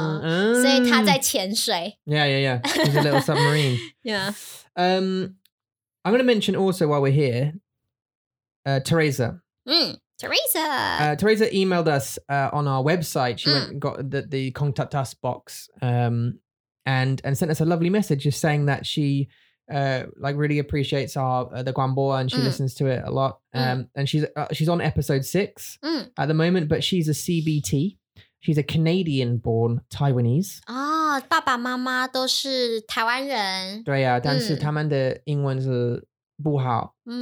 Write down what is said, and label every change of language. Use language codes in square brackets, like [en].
[zh] 对，就是我只要在水里面，我不想要出来，让大家看到。所以她在潜水。Yeah. [en] She's a little submarine. I'm going to mention also while we're here, Teresa. Teresa emailed us on our website. She went and got the contact us box and sent us a lovely message just saying that she like really appreciates our the Guanbo and she listens to it a lot. And she's on episode 6 at the moment, but she's a CBT. She's a Canadian born Taiwanese. [zh] Ah, 爸爸妈妈都是台湾人. 对啊，但是他们的英文是不好。